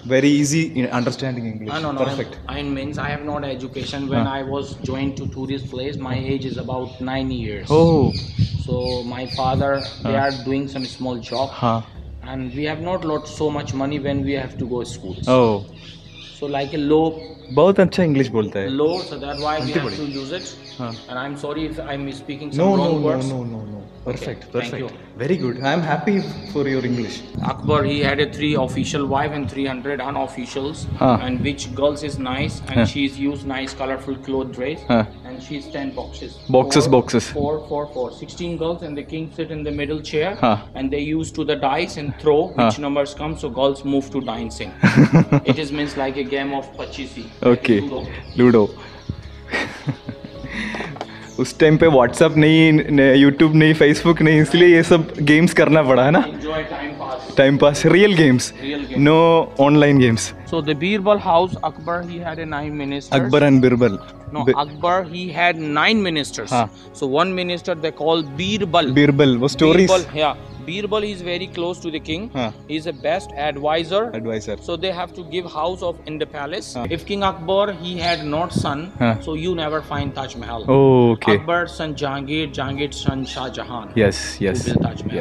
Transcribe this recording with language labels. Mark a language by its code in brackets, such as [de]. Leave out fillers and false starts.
[en] Very easy in understanding English. No, perfect. I means I have not education. When I was joined to tourist place, my age is about 9 years. Oh. So my father, they are doing some small job. Huh. And we have not lot so much money when we have to go to school. Oh. So like a low. [hi] बहुत अच्छा English बोलता है [en] लो so that why we have to use it and I am sorry if I am speaking some wrong words no no no perfect perfect very good I am happy for your English Akbar he had a 3 official wife and 300 unofficials and which girls is nice and she is use nice colourful cloth dress and she is 10 boxes 4 16 girls and the king sit in the middle chair and they use to the dice and throw which numbers come so girls move to dancing it is means like a game of pachisi [hi] okay ludo उस time पे WhatsApp नहीं YouTube नहीं Facebook नहीं इसलिए ये सब games करना पड़ा है ना time pass [en] real games no online games so the Birbal house Akbar he had a 9 ministers Akbar and Birbal no Akbar he had 9 ministers so one minister they call Birbal [hi] Birbal वो stories [en] Birbal is very close to the king. He is the best advisor. Advisor. So they have to give house of in the palace. If King Akbar he had not son, so you never find Taj Mahal. Oh, okay. Akbar's son Jahangir, Jahangir's son Shah Jahan. Yes, yes. Who built Taj Mahal.